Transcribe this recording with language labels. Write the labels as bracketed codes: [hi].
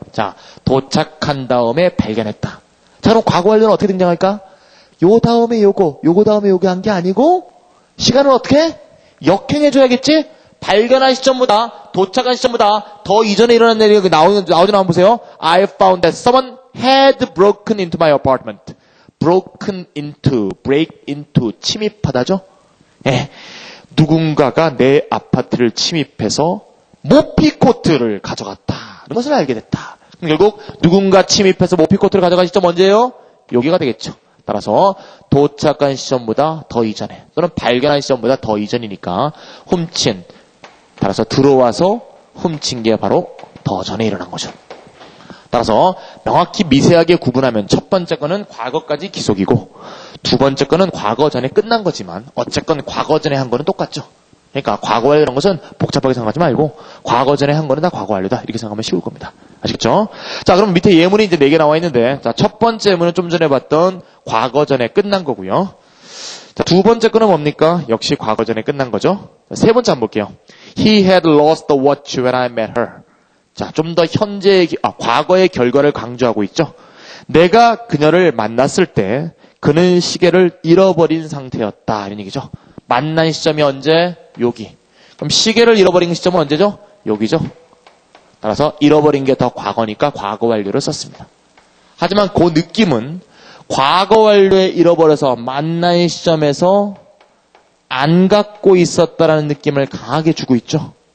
[ko] 자, 도착한 다음에 발견했다. 자, 그럼 과거 완료는 어떻게 등장할까? 요 다음에 요거, 요거 다음에 요게 한 게 아니고, 시간은 어떻게? 역행해줘야겠지? 발견한 시점보다, 도착한 시점보다, 더 이전에 일어난 일이 나오잖아, 한번 보세요. [en] I found that someone had broken into my apartment. [ko] broken into, break into, 침입하다죠? 예. 누군가가 내 아파트를 침입해서 모피코트를 가져갔다는 것을 알게 됐다. 그럼 결국 누군가 침입해서 모피코트를 가져간 시점 언제예요? 여기가 되겠죠. 따라서 도착한 시점보다 더 이전에 또는 발견한 시점보다 더 이전이니까 훔친, 따라서 들어와서 훔친 게 바로 더 전에 일어난 거죠. 따라서 명확히 미세하게 구분하면 첫 번째 거는 과거까지 기속이고 두 번째 거는 과거 전에 끝난 거지만 어쨌건 과거 전에 한 거는 똑같죠. 그러니까 과거 완료라는 것은 복잡하게 생각하지 말고 과거 전에 한 거는 다 과거 완료다. 이렇게 생각하면 쉬울 겁니다. 아시겠죠? 자, 그럼 밑에 예문이 이제 4개 나와 있는데 자, 첫 번째 예문은 좀 전에 봤던 과거 전에 끝난 거고요. 자, 두 번째 거는 뭡니까? 역시 과거 전에 끝난 거죠. 자, 세 번째 한번 볼게요. [en] He had lost the watch when I met her. [ko] 자, 좀 더 현재의, 과거의 결과를 강조하고 있죠. 내가 그녀를 만났을 때 그는 시계를 잃어버린 상태였다. 이런 얘기죠. 만난 시점이 언제? 여기. 그럼 시계를 잃어버린 시점은 언제죠? 여기죠. 따라서 잃어버린 게 더 과거니까 과거 완료를 썼습니다. 하지만 그 느낌은 과거 완료에 잃어버려서 만난 시점에서 안 갖고 있었다라는 느낌을 강하게 주고 있죠.